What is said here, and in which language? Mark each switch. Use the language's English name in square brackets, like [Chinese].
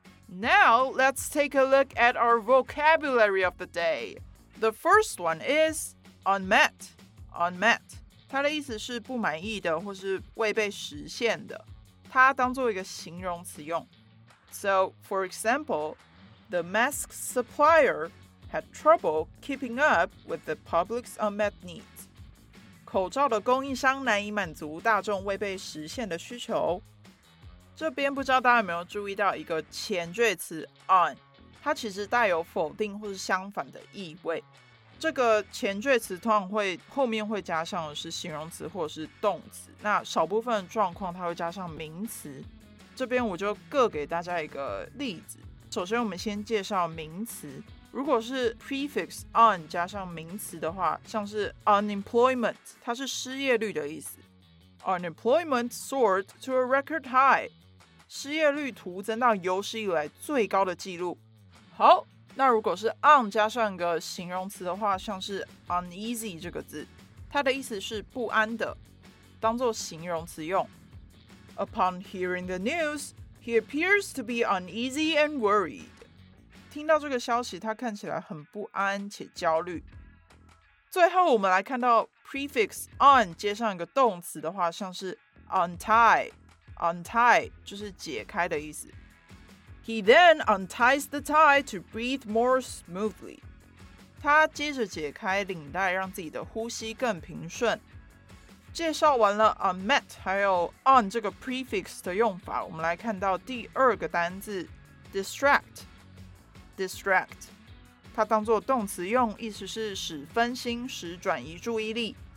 [English] Now, let's take a look at our vocabulary of the day. The first one is unmet. Unmet. [Chinese] 它的意思是不满意的或是未被实现的。它当作一个形容词用。 [English] So, for example, the mask supplier had trouble keeping up with the public's unmet needs. [Chinese] 口罩的供应商难以满足大众未被实现的需求。这边不知道大家有没有注意到一个前缀词 on, 它其实带有否定或是相反的意味。这个前缀词通常会后面会加上的是形容词或是动词，那少部分状况它会加上名词。这边我就各给大家一个例子。首先我们先介绍名词，如果是 prefix on 加上名词的话，像是 unemployment, 它是失业率的意思。 [English] Unemployment soared to a record high. [Chinese] 失业率突增到有史以来最高的记录。好，那如果是 on 加上一个形容词的话，像是 uneasy 这个字，它的意思是不安的，当作形容词用。 [English] Upon hearing the news, he appears to be uneasy and worried. [Chinese] 听到这个消息，他看起来很不安且焦虑。最后，我们来看到 prefix on 接上一个动词的话，像是 untie 就是解开的意思。 [English] He then unties the tie to breathe more smoothly. [Chinese] 他接着解开领带，让自己的呼吸更平顺。介绍完了 Amet 还有 on 这个 prefix 的用法，我们来看到第二个单字 distract。 distract 它当作动词用，意思是使分心，使转移注意力。